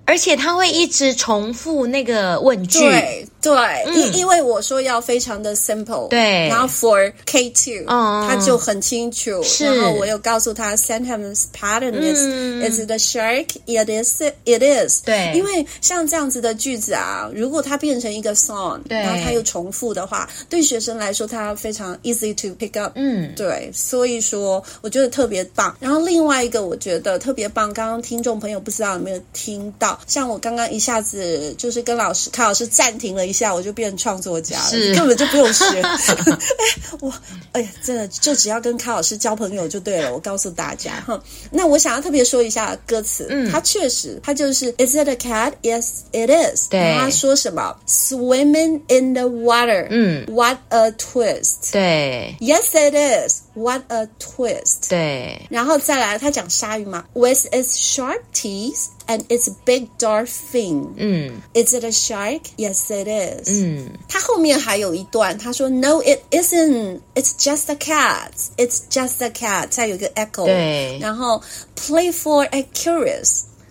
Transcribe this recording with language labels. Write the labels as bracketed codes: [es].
[zh] 而且他会一直重复那个问句。对对、嗯、因为我说要非常的 simple，对，然后 for K2、哦、他就很清楚，是，然后我又告诉他 [en] sentence pattern is、嗯、is it a shark? It is [zh] 对，因为像这样子的句子啊，如果它变成一个 song，对，然后它又重复的话，对学生来说它非常 [en] easy to pick up，嗯， [zh] 对，所以说我觉得特别棒。然后另外一个我觉得特别棒，刚刚听众朋友不知道有没有听到，像我刚刚一下子就是跟老师卡老师暂停了一下，我就变成创作家了，是，根本就不用学。哎，我哎呀，真的就只要跟卡老师交朋友就对了。我告诉大家哈，那我想要特别说一下歌词，嗯，它确实，它就是 [en] Is it a cat? Yes, it is。 [zh] 对，他说什么 [en] ？Swimming in the water。嗯，What a twist。 [zh] 对 [en] ，Yes, it is。 What a twist。 [zh] 对，然后再来，他讲鲨鱼嘛 ， [en] With its sharp teeth。 And it's a big dark thing.、 Mm. Is it a shark? Yes, it is.、 Mm. [zh] 他后面还有一段，他说 [en] No, it isn't. It's just a cat. It's just a cat. [zh] 再有一个 [en] echo. [zh] 对。然后 [en] playful and curious.